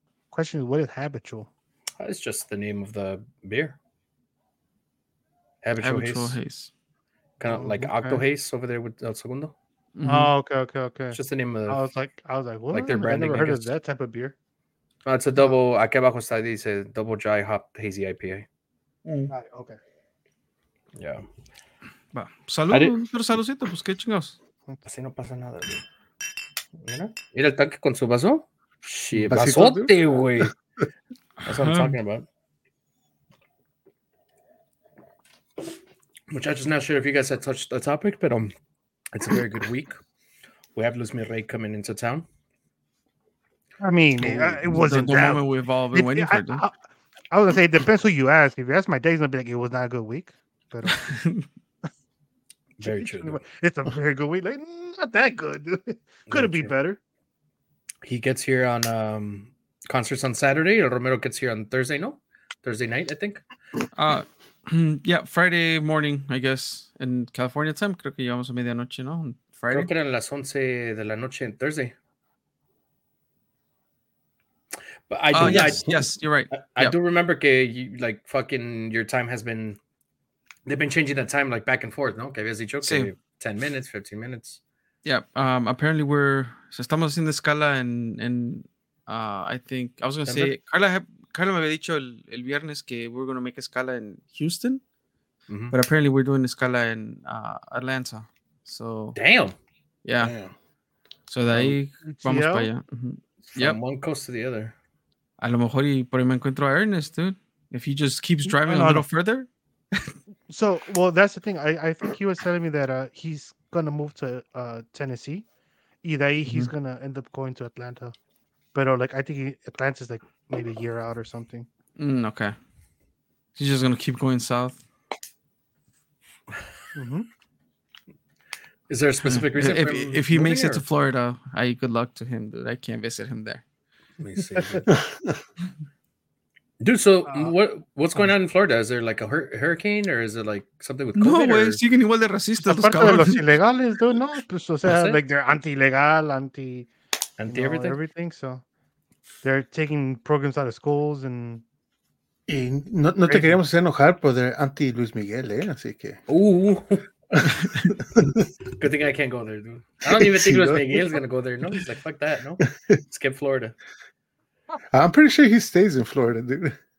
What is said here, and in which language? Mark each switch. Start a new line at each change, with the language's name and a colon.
English: Question is, what is habitual? It's just the name of the beer. Habitual haze. Kind of like Octo Haze over there with El Segundo. Mm-hmm. Oh, okay. It's just the name of. I was like, what? Like their branding. I've never heard of that type of beer. No, it's a double.
Spanish: Aquí abajo está dice
English: double dry hop hazy IPA. Okay. Yeah.
Spanish: Saludos, saludito, pues qué chingados. Así no pasa nada, güey. Mira el tanque con su vaso.
English: Shit,
Spanish: vasote, güey.
English: That's what I'm talking about. Muchachos, not sure if you guys have touched the topic, but it's a very good week. We have Luis Miguel coming into town. I mean, it wasn't the moment we've all been waiting for. I was going to say, it depends who you ask. If you ask my dad, he's going to be like, it was not a good week. But... Very true. It's a very good week. Like, not that good. Could it be better? He gets here on concerts on Saturday. Romero gets here on Thursday, no? Thursday night, I think. Yeah, Friday morning, I guess, in California time.
Spanish: Creo que llevamos a medianoche, no?
English: On Friday.
Spanish: Creo que eran las 11 de la noche en Thursday.
English: But I do, yes, you're right. I do remember que you, like fucking your time has been... They've been changing that time like back and forth, no? Okay, busy joke. 10 minutes, 15 minutes. Yeah. Apparently we're
Spanish: estamos en escala
English: I think I was gonna Denver? Say Carla
Spanish: me había dicho el viernes que
English: we're gonna make escala in Houston, but apparently we're doing escala in Atlanta. So damn. Yeah. Damn. So
Spanish: de ahí vamos para allá.
English: Yeah. One coast to the other.
Spanish: A lo mejor y por ahí me encuentro a Ernest, dude.
English: If he just keeps driving a little further. So, well, that's the thing. I think he was telling me that he's going to move to Tennessee. Either he's going to end up going to Atlanta. But like, I think Atlanta's like maybe a year out or something. Okay. He's just going to keep going south. Is there a specific reason? If he makes it to Florida, good luck to him. Dude. I can't visit him there. Let me see. Dude, so what's going on in Florida? Is there like a hurricane or is it like something with COVID?
Spanish: No, güey, siguen igual de racistas. Aparte de los ilegales, dude, no. Pues, o sea,
English: like they're anti-legal, anti everything. Everything. So they're taking programs out of schools and.
Spanish: Y no te queríamos hacer enojar, pero
English: they're anti Luis Miguel,
Spanish: ¿eh? Así que.
English: Ooh. Good thing I can't go there, dude. I don't even think Luis Miguel is going to go there. No, he's like, fuck that, no? Skip Florida. I'm pretty sure he stays in Florida, dude.